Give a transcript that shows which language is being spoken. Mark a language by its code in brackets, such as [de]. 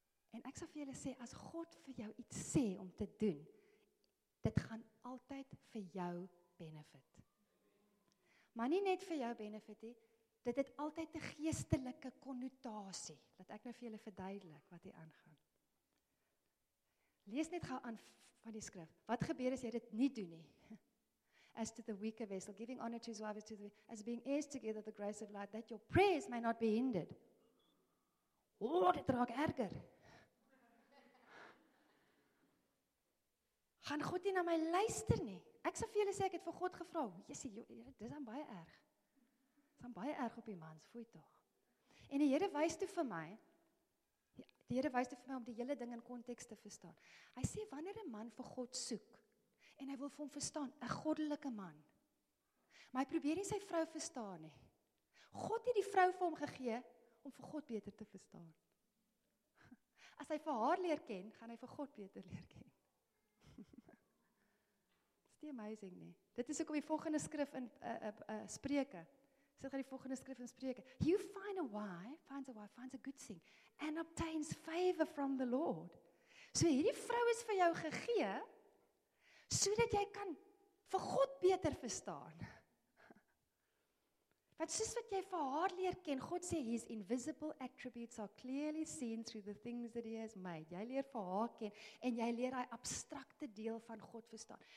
[af] En ek sal vir julle sê, as God vir jou iets sê om te doen, dit gaan altyd vir jou benefit. Maar nie net vir jou benefit nie, dit het altyd 'n geestelike konnotasie. Laat ek nou vir julle verduidelik wat hier aangaan. Lees net gou aan van die skrif. Wat gebeur as jy dit nie doen nie? [en] As to the weaker vessel, giving honor to his wife, as being heirs together the grace of life, that your prayers may not be hindered. [af] Oh, dit raak erger. Gaan God nie na my luister nie? Ek sal vir julle sê, ek het vir God gevra, dis dan baie erg. Dis dan baie erg op die mans, voel toch. En die Here wys toe vir my om die hele ding in konteks te verstaan. Hy sê, wanneer 'n man vir God soek, en hy wil vir hom verstaan, 'n goddelike man. Maar hy probeer nie sy vrou verstaan nie. God het die vrou vir hom gegee om vir God beter te verstaan. As hy vir haar leer ken, gaan hy vir God beter leer ken. Dis die amazing nie. Dit is ook op die volgende skrif in Spreuke. Dit gaan die volgende skrif in Spreuke. [en] You find a wife, finds a good thing, and obtains favor from the Lord. [af] So hierdie vrou is vir jou gegee, sodat jy kan vir God beter verstaan. Want soos wat jy vir haar leer ken, God sê, [en] his invisible attributes are clearly seen through the things that he has made. [af] Jy leer vir haar ken, en jy leer die abstrakte deel van God verstaan.